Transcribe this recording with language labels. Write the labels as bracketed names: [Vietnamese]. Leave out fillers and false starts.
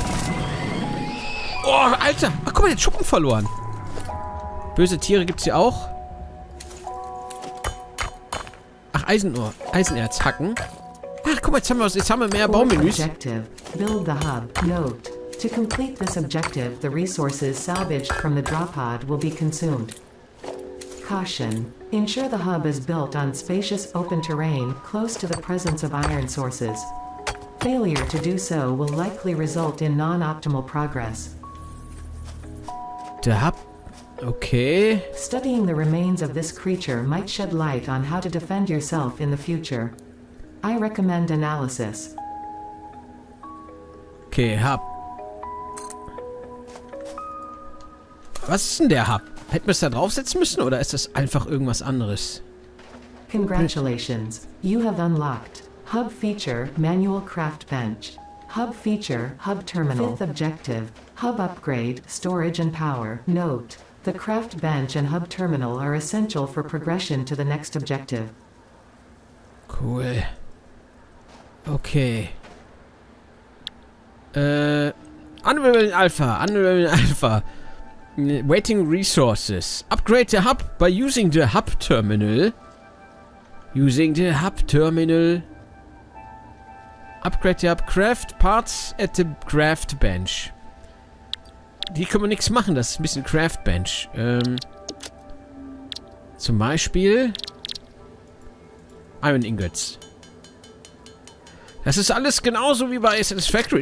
[German] Oh, Alter! Ach, guck mal, den Schuppen verloren. Böse Tiere gibt's hier auch. Ach, Eisenohr. Eisenerz hacken. Ach, guck mal, jetzt haben wir, mehr Baumenüs. [English] Build the hub. Note. To complete this objective, the resources salvaged from the drop pod will be consumed. Caution. Ensure the hub is built on spacious open terrain, close to the presence of iron sources. Failure to do so will likely result in non-optimal progress. [German] Der Hub. Okay. [English] Studying the remains of this creature might shed light on how to defend yourself in the future. I recommend analysis. [German] Okay, Hub. Was ist denn der Hub? Hätten wir es da draufsetzen müssen oder ist das einfach irgendwas anderes? [English] Congratulations. You have unlocked Hub feature manual craft bench. Hub feature, hub terminal. Fifth objective, hub upgrade, storage and power. Note, the craft bench and hub terminal are essential for progression to the next objective. Cool. Okay. Unraveling Alpha, Unraveling Alpha. Waiting resources. Upgrade the hub by using the hub terminal. Using the hub terminal. Upgrade the hub. Craft parts at the craft bench. [German] Die können wir nichts machen. Das ist ein bisschen craft bench. Zum Beispiel Iron Ingots. Das ist alles genauso wie bei SNS Factory.